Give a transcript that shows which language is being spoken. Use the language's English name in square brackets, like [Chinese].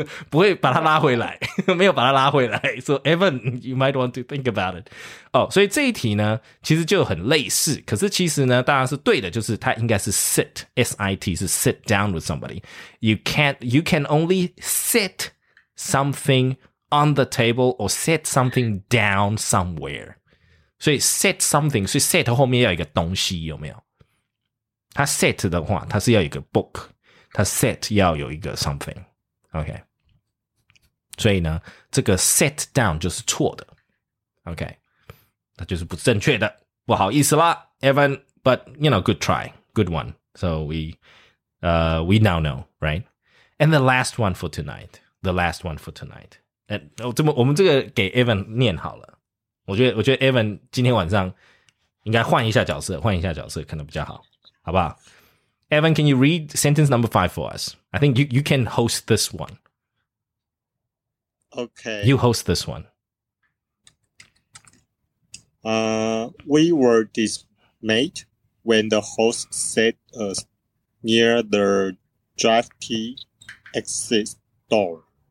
[Chinese] 不会把他拉回来，没有把他拉回来。 [English] So Evan, you might want to think about it. [Chinese] 所以这一题呢，其实就很类似。可是其实呢，大家是对的，就是他应该是 sit, S-I-T 是 [English] sit down with somebody. You can only sit something on the table or set something down somewhere. [Chinese] 所以 set something, 所以 set 后面要一个东西有没有？它 set 的话，它是要一个 book， 它 set 要有一个 something。 OK， 所以呢，这个 set down 就是错的。 OK， 那就是不正确的，不好意思啦 ，Evan。 [English] But you know, good try, good one. So we now know, right? And the last one for tonight, the last one for tonight. [Chinese] And 我这么我们这个给 Evan 念好了。我觉得 Evan 今天晚上应该换一下角色，换一下角色可能比较好，好不好？ [English] Evan, can you read sentence number 5 for us? I think you can host this one. Okay. You host this one. We were dismayed when the host set us near the drive key exit door.